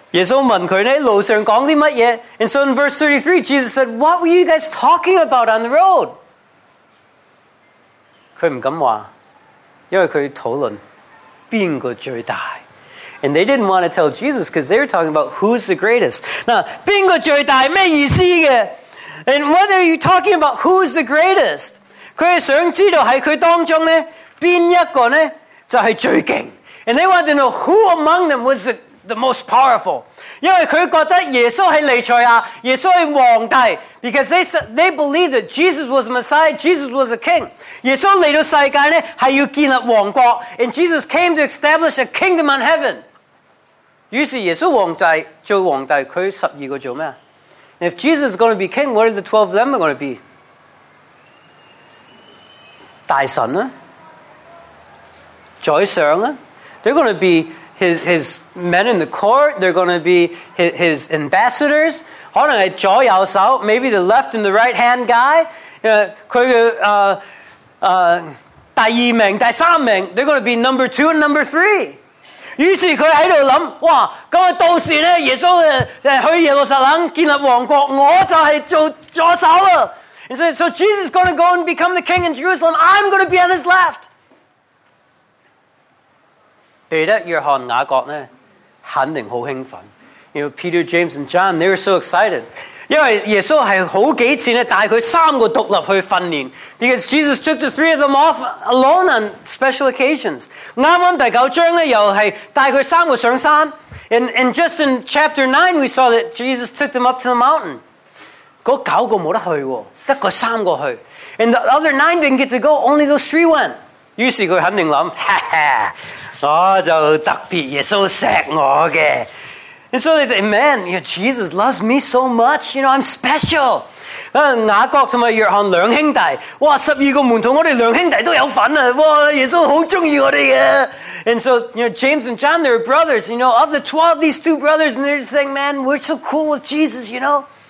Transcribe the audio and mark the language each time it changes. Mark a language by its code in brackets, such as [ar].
[zh] 他讨论的什么？33节，耶稣问他路上讲的什么？ [en] And so in verse 33, Jesus said, what were you guys talking about on the road? [zh] 他不敢说，因为他讨论谁最大。 [en] And they didn't want to tell Jesus because they were talking about who's the greatest. [zh] Now, 谁最大什么意思的？ [en] And what are you talking about? Who is the greatest? [zh] 他想知道在他当中哪一个就是最强。 [en] And they wanted to know who among them was the most powerful. [zh] 因为他觉得耶稣是弥赛亚，耶稣是皇帝。 [en] Because they believed that Jesus was the Messiah, Jesus was a king. [zh] 耶稣来到世界是要建立王国。 [en] And Jesus came to establish a kingdom on heaven. [zh] 于是耶稣皇帝做皇帝，他十二个做什么？ [en] And if Jesus is going to be king, what are the 12 of them going to be? [zh] 大臣呢？宰相呢？ [en] They're going to be his men in the court. They're going to be his ambassadors. [zh] 可能是左右手, [en] maybe the left and the right hand guy. [zh] 他的第二名、第三名, [en] they're going to be number 2 and number 3. [zh] 于是他在想，哇，那到时耶稣去耶路撒冷建立王国，我就是做左手了。 [en] So Jesus is going to go and become the king in Jerusalem. I'm going to be on his left. [zh] 彼得、约翰、雅各呢，肯定好兴奋。 [en] You know, Peter, James, and John, they were so excited. [zh] 因为耶稣是好几次带他三个独立去训练。 [en] Because Jesus took the 3 of them off alone on special occasions. [zh] 刚刚第九章又是带他三个上山。 [en] And just in chapter 9, we saw that Jesus took them up to the mountain. [zh] 那九个没得去，只有三个去。 [en] And the other 9 didn't get to go, only those 3 went. [zh] 于是他肯定想，哈哈，我就特别耶稣锡我的。 [en] And so they say, man, you know, Jesus loves me so much. You know, I'm special. And so, you know, James and John, they're brothers. You know, of the 12, these two brothers, and they're just saying, man, we're so cool with Jesus, you know.